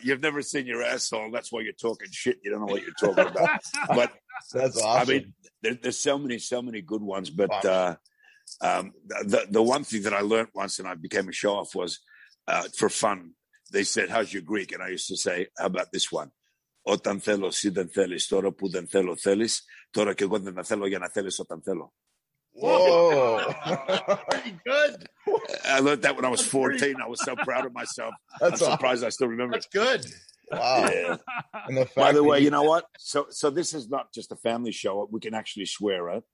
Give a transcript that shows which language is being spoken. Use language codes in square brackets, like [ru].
[en] You've never seen your asshole. That's why you're talking shit. You don't know what you're talking about. But that's awesome. I mean, there's so many good ones, but The one thing that I learned once, and I became a show off, was for fun. They said, "How's your Greek?" And I used to say, "How about this one? [el] Όταν θέλω, εσύ δεν θέλεις. Τώρα που δεν θέλω, θέλεις. Τώρα και εγώ δεν θέλω για να θέλεις όταν θέλω." [en] Whoa! Pretty good. I learned that when I was 14. I was so proud of myself. I'm surprised I still remember. That's good. Wow. Yeah. And the fact, by the way, you know what? So this is not just a family show. We can actually swear, right?